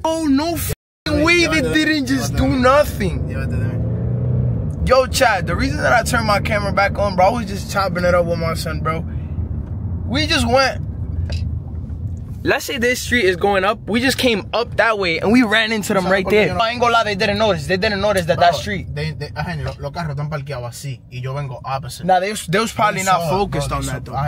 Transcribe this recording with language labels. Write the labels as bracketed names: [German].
[English] Oh, no f***ing way. They didn't just do nothing. Yo, Chad, the reason that I turned my camera back on, bro, I was just chopping it up with my son, bro. We just went. Let's say this street is going up. We just came up that way and we ran into them right there. No, I ain't gonna lie, they didn't notice. They didn't notice that, bro, that street. [Spanish] Los carros están parqueados así y yo vengo [English] opposite. Nah, they was probably not focused on that though.